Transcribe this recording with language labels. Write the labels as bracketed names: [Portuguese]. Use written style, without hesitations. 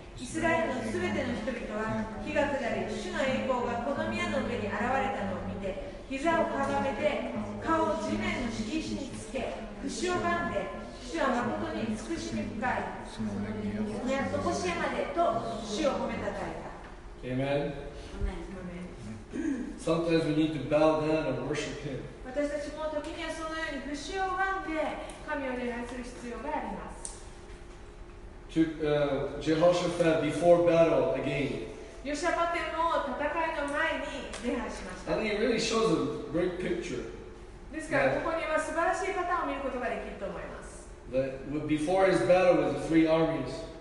[Japanese] イスラエルのすべての人々は火が下り、主の栄光がこの宮の上に現れたのを見て、膝をかがめて顔を地面の敷石につけ、節をがんで、主は誠に慈しみ深い、この宮とこしえまでと主を褒めたたえた。アーメン。 [English] Sometimes we need to bow down and worship Him. [Japanese] 私たちも時にはそのように節をがんで神を礼拝する必要があります。 [English] To Jehoshaphat before battle again. I think it really shows a great picture. That before his battle with the three armies.